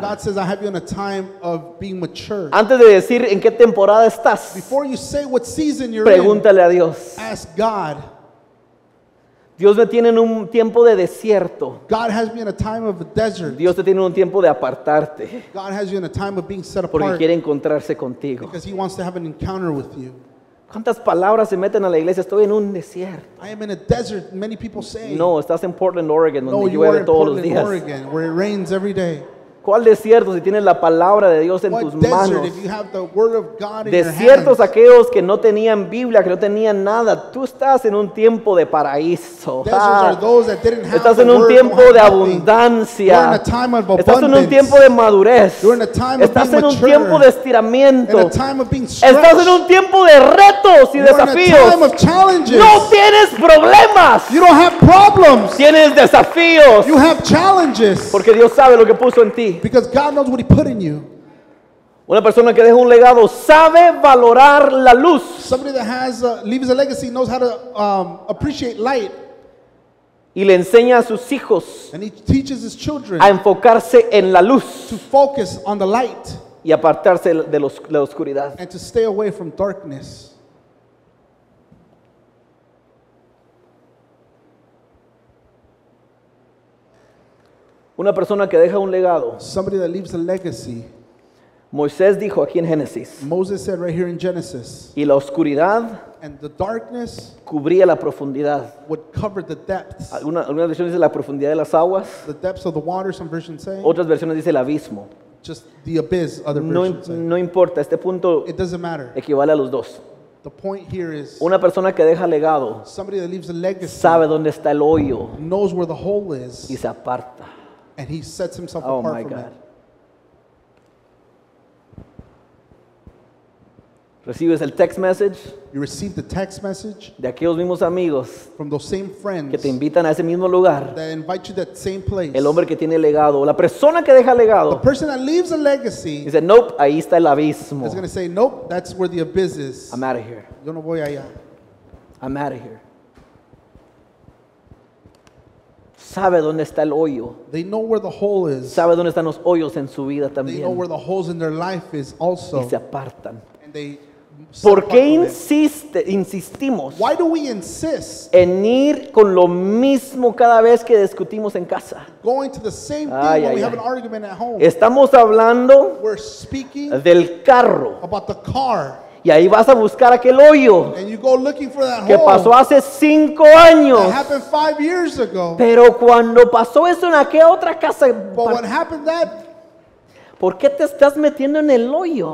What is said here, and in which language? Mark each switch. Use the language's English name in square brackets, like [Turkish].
[English] God says I have you in a time of being mature. [Spanish] Antes de decir en qué temporada estás. [English] Before you say what season you're [Spanish] pregúntale Pregúntale a Dios. [English] Ask God. [Spanish] Dios me tiene en un tiempo de desierto. [English] God has me in a time of a desert. [Spanish] Dios te tiene en un tiempo de apartarte. [English] God has you in a time of being set apart. [Spanish] Porque quiere encontrarse contigo. [English] Because he wants to have an encounter with you. [Spanish] ¿Cuántas palabras se meten a la iglesia? Estoy en un desierto. [English] I am in a desert, many people say. [Spanish] No, estás en Portland, Oregon, donde llueve todos los días. [English] Oregon, where it rains every day. [Spanish] ¿Cuál desierto si tienes la palabra de Dios en [English] what [Spanish] tus manos? [English] Desert, if you have the word of God in [Spanish] desiertos [English] your hands. [Spanish] Aquellos que no tenían Biblia, que no tenían nada. Tú estás en un tiempo de paraíso. Estás en un tiempo de abundancia. Estás en un tiempo de madurez. Estás en un tiempo de estiramiento. Estás en un tiempo de retos y desafíos. No tienes problemas. [English] You don't have problems. [Spanish] Tienes desafíos. [English] You have challenges. [Spanish] Porque Dios sabe lo que puso en ti. [English] Because God knows what he put in you. [Spanish] Una persona que deja un legado sabe valorar la luz. [English] Somebody that has leaves a legacy knows how to appreciate light. [Spanish] Y le enseña a sus hijos. [English] And he teaches his children. [Spanish] A enfocarse en la luz. [English] To focus on the light. [Spanish] Y apartarse de la oscuridad. [English] And to stay away from darkness. [Spanish] Una persona que deja un legado. [English] Somebody that leaves a legacy. [Spanish] Moisés dijo aquí en Génesis. [English] Moses said right here in Genesis. [Spanish] Y la oscuridad. [English] And the darkness. [Spanish] Cubría la profundidad. [English] Would cover the depths. [Spanish] Algunas versiones dicen la profundidad de las aguas. [English] The depths of the water, some versions say. [Spanish] Otras versiones dicen el abismo. [English] Just the abyss, other versions say. [Spanish] No importa, este punto. [English] It doesn't matter. [Spanish] Equivale a los dos. [English] The point here is. [Spanish] Una persona que deja legado. [English] Somebody that leaves a legacy. [Spanish] Sabe dónde está el hoyo. [English] Knows where the hole is. [Spanish] Y se aparta. [English] And he sets himself apart from God. [Spanish] Recibes el text message. [English] You receive the text message. [Spanish] De aquellos mismos amigos. [English] From those same friends. [Spanish] Que te invitan a ese mismo lugar. [English] That invite you to that same place. [Spanish] El hombre que tiene legado. La persona que deja legado. [English] The person that leaves a legacy. He said, nope, [Spanish] ahí está el abismo. [English] He's going to say, nope, that's where the abyss is. I'm out of here. [Spanish] Yo no voy allá. [English] I'm out of here. [Spanish] Sabe dónde está el hoyo. [English] They know where the hole is. [Spanish] Sabe dónde están los hoyos en su vida también. [English] They know where the holes in their life is also. [Spanish] Y se apartan. [English] And they [Spanish] ¿por qué insistimos? [English] Why do we insist? [Spanish] En ir con lo mismo cada vez que discutimos en casa. [English] Going to the same thing when we have an argument at home. [Spanish] Estamos hablando del carro. [English] About the car. [Spanish] Y ahí vas a buscar aquel hoyo que pasó hace 5 años. [English] That happened 5 years ago. [Spanish] Pero cuando pasó eso en aquella otra casa, [English] but what happened that, [Spanish] ¿por qué te estás metiendo en el hoyo?